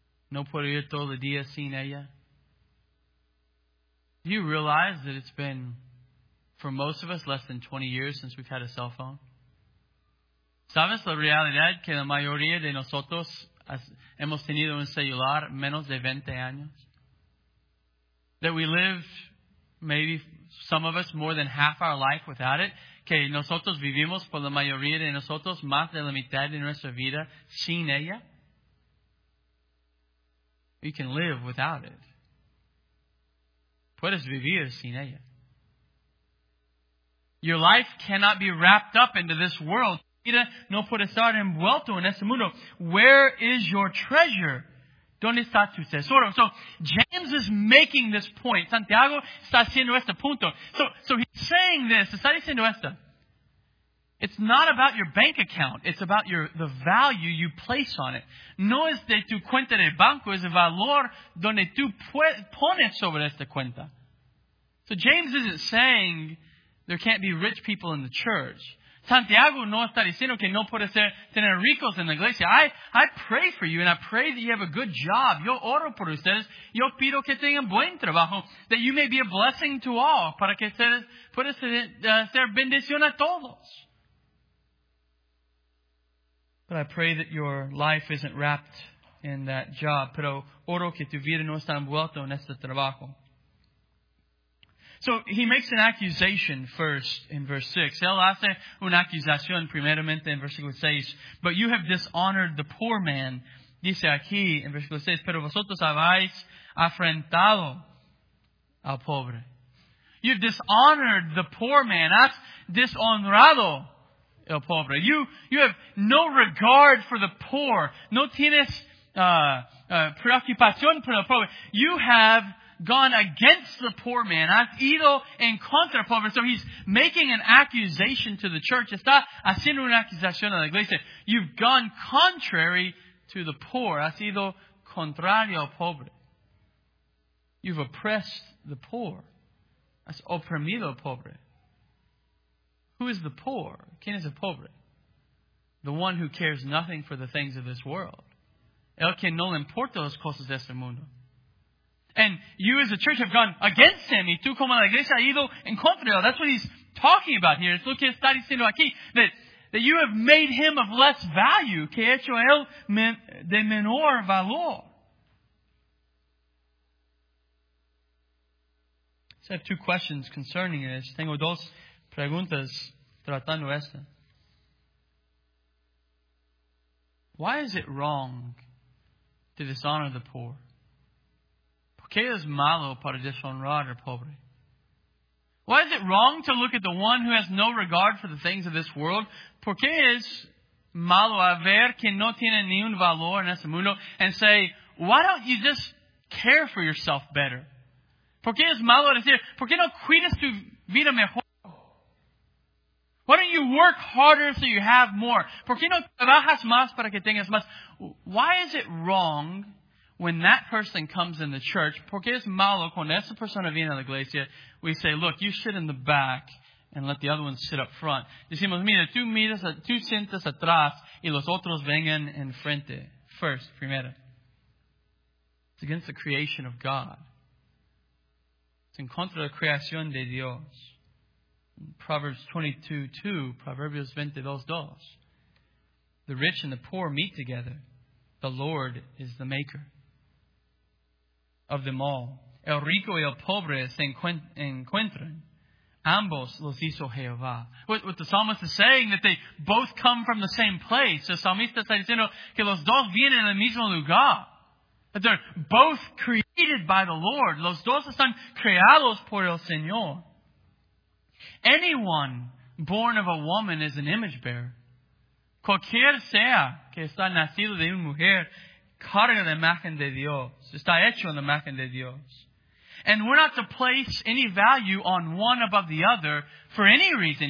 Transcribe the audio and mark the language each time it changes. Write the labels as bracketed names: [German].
[Spanish] No puedo ir todo el día sin ella. [English] Do you realize that it's been, for most of us, less than 20 years since we've had a cell phone? [Spanish] ¿Sabes la realidad que la mayoría de nosotros hemos tenido un celular menos de 20 años? [English] That we live, maybe some of us, more than half our life without it. [Spanish] Que nosotros vivimos, por la mayoría de nosotros, más de la mitad de nuestra vida sin ella. [English] We can live without it. [Spanish] Puedes vivir sin ella. [English] Your life cannot be wrapped up into this world. [Spanish] No puede estar envuelto en este mundo. [English] Where is your treasure? [Spanish] ¿Dónde está tu tesoro? [English] So, James is making this point. [Spanish] Santiago está haciendo este punto. [English] So he's saying this. [Spanish] Está diciendo esto. [English] It's not about your bank account. It's about the value you place on it. [Spanish] No es de tu cuenta de banco. Es el valor donde tú pones sobre esta cuenta. [English] So, James isn't saying there can't be rich people in the church. [Spanish] Santiago no está diciendo que no puede ser tener ricos en la iglesia. [English] I pray for you and I pray that you have a good job. [Spanish] Yo oro por ustedes. Yo pido que tengan buen trabajo. [English] That you may be a blessing to all. [Spanish] Para que puedas ser bendición a todos. [English] But I pray that your life isn't wrapped in that job. [Spanish] Pero oro que tu vida no está envuelta en este trabajo. [English] So he makes an accusation first in verse 6. [Spanish] Él hace una acusación primeramente en versículo 6. [English] But you have dishonored the poor man, [Spanish] dice aquí en versículo 6. Pero vosotros habéis afrentado al pobre. [English] You've dishonored the poor man. [Spanish] Has deshonrado el pobre. [English] You have no regard for the poor. [Spanish] No tienes preocupación por el pobre. [English] You have gone against the poor man. [Spanish] Has ido en contra del pobre. [English] So he's making an accusation to the church. [Spanish] Está haciendo una acusación a la iglesia. [English] You've gone contrary to the poor. [Spanish] Has ido contrario al pobre. [English] You've oppressed the poor. [Spanish] Has oprimido al pobre. [English] Who is the poor? [Spanish] ¿Quién es el pobre? [English] The one who cares nothing for the things of this world. [Spanish] El que no le importa las cosas de este mundo. [English] And you as a church have gone against him. [Spanish] Y tú como la iglesia ha ido en contra de él. [English] That's what he's talking about here. [Spanish] Es lo que está diciendo aquí. [English] That you have made him of less value. [Spanish] Que ha hecho él de menor valor. [English] So I have two questions concerning this. [Spanish] Tengo dos preguntas tratando esto. [English] Why is it wrong to dishonor the poor? [Spanish] ¿Qué es malo para deshonrar al pobre? [English] Why is it wrong to look at the one who has no regard for the things of this world? [Spanish] ¿Por qué es malo a ver quien no tiene ni un valor en este mundo? [English] And say, why don't you just care for yourself better? [Spanish] ¿Por qué es malo decir, por qué no cuidas tu vida mejor? [English] Why don't you work harder so you have more? [Spanish] ¿Por qué no trabajas más para que tengas más? [English] Why is it wrong when that person comes in the church, [Spanish] porque es malo cuando esa persona viene a la iglesia, [English] we say, look, you sit in the back and let the other one sit up front. [Spanish] Decimos, mira, tú sientas atrás y los otros vengan en frente. [English] First, [Spanish] primera. [English] It's against the creation of God. It's [Spanish] en contra de la creación de Dios. Proverbios 22:2. [English] The rich and the poor meet together. The Lord is the maker. of them all. [Spanish] El rico y el pobre se encuentran. Ambos los hizo Jehová. [English] What the psalmist is saying, that they both come from the same place. [Spanish] El salmista está diciendo que los dos vienen del mismo lugar. [English] That they're both created by the Lord. [Spanish] Los dos están creados por el Señor. [English] Anyone born of a woman is an image bearer. [Spanish] Cualquier sea que está nacido de una mujer, carga la imagen de Dios. Está hecho en la imagen de Dios. [English] And we're not to place any value on one above the other for any reason.